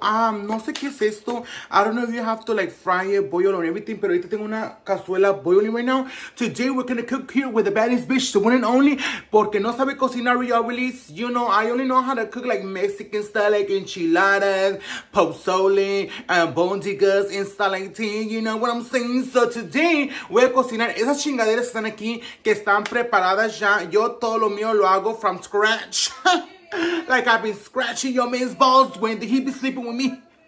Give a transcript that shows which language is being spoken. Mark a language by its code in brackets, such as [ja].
[es] No sé qué es esto. [en] I don't know if you have to like fry it, boil or everything, [es] pero ahorita tengo una cazuela [en] boiling right now. Today, we're gonna cook here with the baddest bitch, the one and only, [es] porque no sabe cocinar, [en] y'all release. You know, I only know how to cook like Mexican style, like enchiladas, pozole, bondigas, and style like tea. You know what I'm saying? So today, [es] voy a cocinar esas chingaderas que están aquí, que están preparadas ya. Yo todo lo mío lo hago [en] from scratch. Like I've been scratching your man's balls when he be sleeping with me.